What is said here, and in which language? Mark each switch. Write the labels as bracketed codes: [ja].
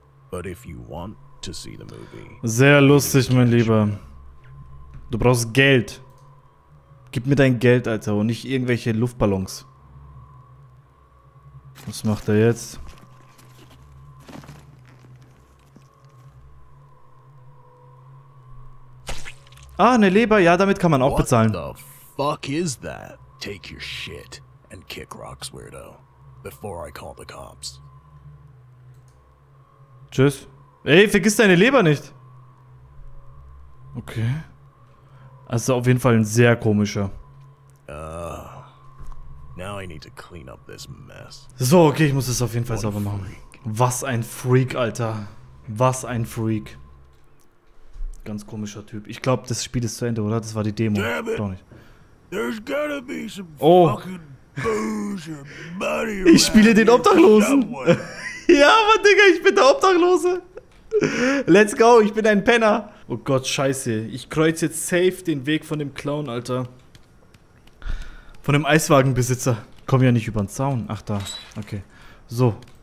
[en] But if you want to see the movie, [de] sehr lustig, mein Lieber. Du brauchst Geld. Gib mir dein Geld, Alter, und nicht irgendwelche Luftballons. Was macht er jetzt? Ah, eine Leber. Ja, damit kann man auch bezahlen. [en] What the fuck is that? Take your shit and kick rocks, weirdo. Before I call the cops. [de] Tschüss. Ey, vergiss deine Leber nicht. Okay. Also auf jeden Fall ein sehr komischer. [en] Now I need to clean up this mess. [de] So, okay, ich muss das auf jeden Fall sauber machen. Was ein Freak, Alter. Was ein Freak. Ganz komischer Typ. Ich glaube, das Spiel ist zu Ende, oder? Das war die Demo. [en] Damn it. [de] Doch nicht. [en] There's gotta be some fucking booze and money. [de] Ich spiele den Obdachlosen. Ja, aber Digga, ich bin der Obdachlose. [en] Let's go, [de] ich bin ein Penner. Oh Gott, scheiße. Ich kreuze jetzt safe den Weg von dem Clown, Alter. Von dem Eiswagenbesitzer. Komm ja nicht über den Zaun. Ach da, okay. So.